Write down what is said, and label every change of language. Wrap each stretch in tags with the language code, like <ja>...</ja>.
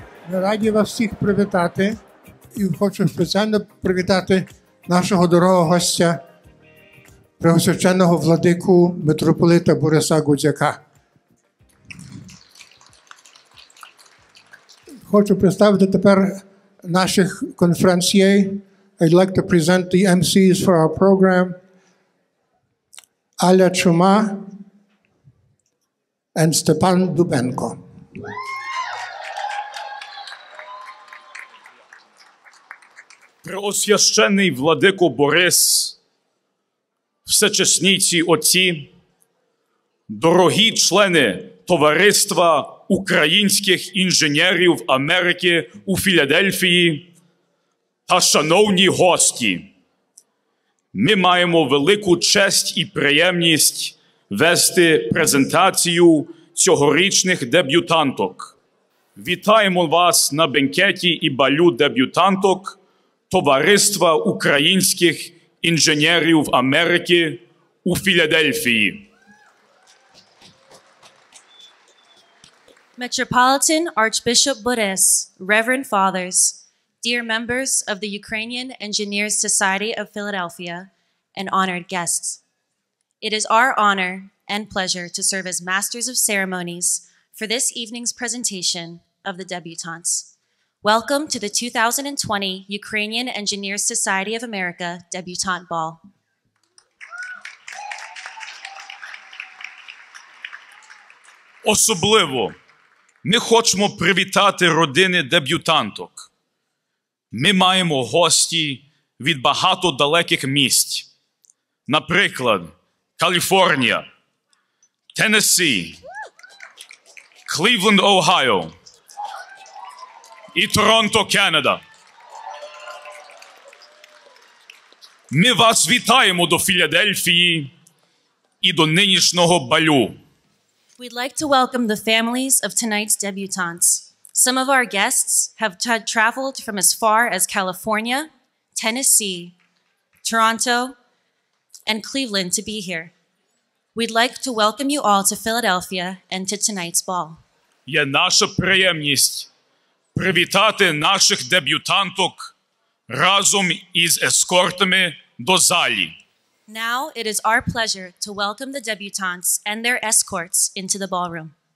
<uk>Раді вас всіх привітати і хочу спеціально привітати нашого дорогого гостя, Преосвященного Владику митрополита Бориса Гудзяка. Хочу представити тепер наших конференціє.</uk> <en>I'd like to present the MCs for our program.</en> <uk>Аля Чума and Степан Дубенко. Преосвященний Владико Борис, Всечесніці Отці, дорогі члени Товариства українських інженерів Америки у Філадельфії та шановні гості, ми маємо велику честь і приємність вести презентацію цьогорічних дебютанток. Вітаємо вас на бенкеті і балю дебютанток Товариства українських інженерів Америки у Філадельфії.</uk> <en>Metropolitan Archbishop Boris, Reverend Fathers, dear members of the Ukrainian Engineers Society of Philadelphia, and honored guests. It is our honor and pleasure to serve as masters of ceremonies for this evening's presentation of the debutantes. Welcome to the 2020 Ukrainian Engineers Society of America Debutante Ball.</en> <uk>Особливо ми хочемо привітати родини дебютанток. Ми маємо гості від багато далеких місць. Наприклад, Каліфорнія, Теннессі, Кливленд, Огайо. І Торонто, Канада. Ми вас вітаємо до Філадельфії і до нинішнього балю.</uk> <en>We'd like to welcome the families of tonight's debutantes. Some of our guests have traveled from as far as California, Tennessee, Toronto, and Cleveland to be here. We'd like to welcome you all to Philadelphia and to tonight's ball.</en> <uk>Є наша приємність привітати наших дебютанток разом із ескортами до залі. Now it is our pleasure to welcome the debutantes and their escorts into the ballroom.</uk>